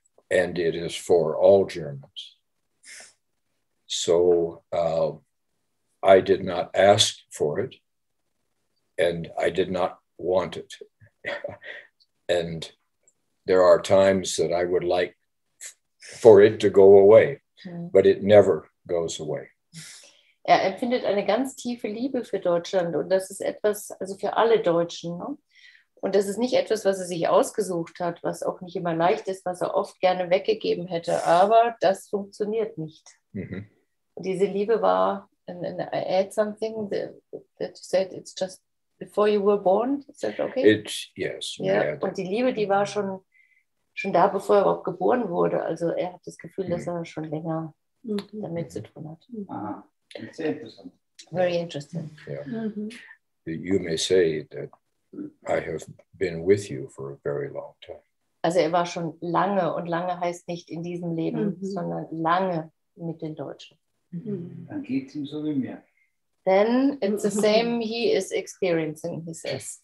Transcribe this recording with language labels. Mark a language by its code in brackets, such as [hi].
[en] And it is for all Germans. So I did not ask for it, and I did not want it. And there are times that I would like for it to go away, but it never goes away. [de] Er empfindet eine ganz tiefe Liebe für Deutschland, und das ist etwas, also für alle Deutschen, ne? Und das ist nicht etwas, was er sich ausgesucht hat, was auch nicht immer leicht ist, was er oft gerne weggegeben hätte. Aber das funktioniert nicht. Mm-hmm. Diese Liebe war, [en] and I add something that you said, it's just before you were born. Is that okay? Yes. Yeah. [de] Und die Liebe, die war schon da, bevor er überhaupt geboren wurde. Also er hat das Gefühl, mm-hmm. dass er schon länger mm-hmm. damit zu tun hat. Ah, [en] very interesting. Yeah. Mm-hmm. You may say that I have been with you for a very long time. [de] Also er war schon lange, und lange heißt nicht in diesem Leben, mm-hmm. sondern lange mit den Deutschen. Mm-hmm. Dann geht es ihm so wie mir. [en] Then it's the same he is experiencing, he says.